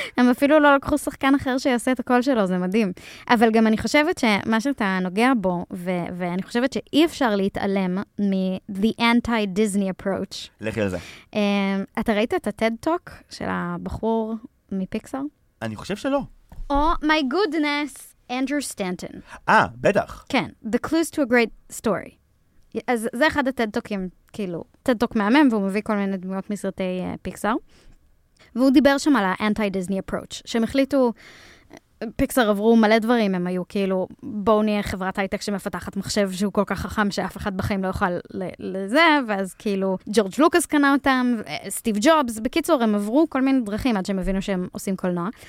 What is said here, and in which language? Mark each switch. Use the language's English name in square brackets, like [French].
[Hebrew] הם אפילו לא לקחו שחקן אחר שיעשה את הקול שלו, זה מדהים. אבל גם אני חושבת שמה שאתה נוגע בו, ואני חושבת שאי אפשר להתעלם מ- [English] the anti-Disney approach. [Hebrew] לכי על זה. אתה ראית את הטד-טוק של הבחור מפיקסר? אני חושב שלא. [English] Oh my goodness, Andrew Stanton. [Hebrew] בטח. כן, [English] the clues to a great story. [Hebrew] אז זה אחד הטד-טוקים, כאילו, טד-טוק מהמם, והוא מביא כל מיני דמויות מסרטי פיקסר. והוא דיבר שם על האנטי-דיזני אפרוץ', שהם החליטו, פיקסר עברו מלא דברים, הם היו כאילו, בואו נהיה חברת הייטק שמפתחת מחשב שהוא כל כך חכם שאף אחד בחיים לא יוכל לזה, ואז כאילו, ג'ורג' לוקס קנה אותם, סטיב ג'ובס, בקיצור, הם עברו כל מיני דרכים עד שהם הבינו שהם עושים קולנוע.